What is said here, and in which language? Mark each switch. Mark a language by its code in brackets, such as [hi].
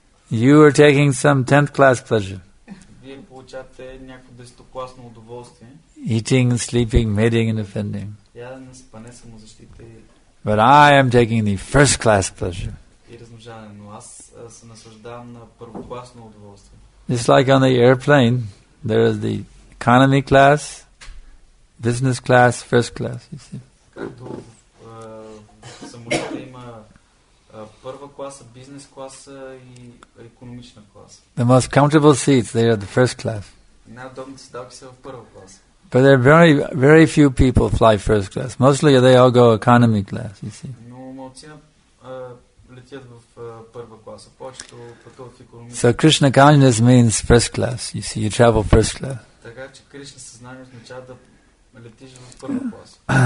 [en] You are taking some 10th class pleasure. [bg] вие получавате някакво десетокласно удоволствие. [en] Eating, sleeping, mating and offending. [bg] Ядене, спане, самозащита. [en] But I am taking the first class pleasure. [bg] И размножаване, но аз се наслаждавам на първокласно удоволствие. [en] It's like on the airplane. There is the economy class, business class, first class, you see. [bg] Както в самолета има първа класа, бизнес класа и икономична класа. [en] The most comfortable seats, they are the first class. [bg] Най-удобните седалки са в първа класа. [en] But there are very, very few people fly first class. Mostly they all go economy class, you see. [bg] Но малцина летят в първа класа. Повечето пътуват в икономична. [en] So Krishna consciousness means first class, you see. You travel first class. [bg] Така че Кришна съзнание означава да летиш в първа класа.